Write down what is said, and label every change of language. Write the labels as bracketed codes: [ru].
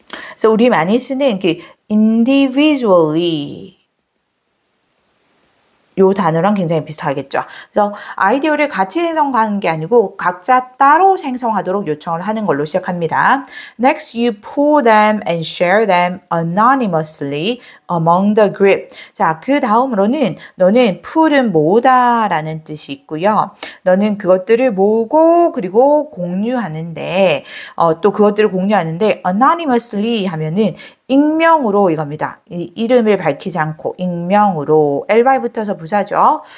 [ko] 그래서 우리 많이 쓰는 그 individually 요 단어랑 굉장히 비슷하겠죠. 그래서 아이디어를 같이 생성하는 게 아니고 각자 따로 생성하도록 요청을 하는 걸로 시작합니다. [en] Next, you pull them and share them anonymously among the group. [ko] 자, 그 다음으로는 너는 풀은 모으다라는 뜻이 있고요. 너는 그것들을 모으고 그리고 공유하는데, 또 그것들을 공유하는데 anonymously 하면은 익명으로 이겁니다. 이름을 밝히지 않고 익명으로 ly 붙어서 부사죠.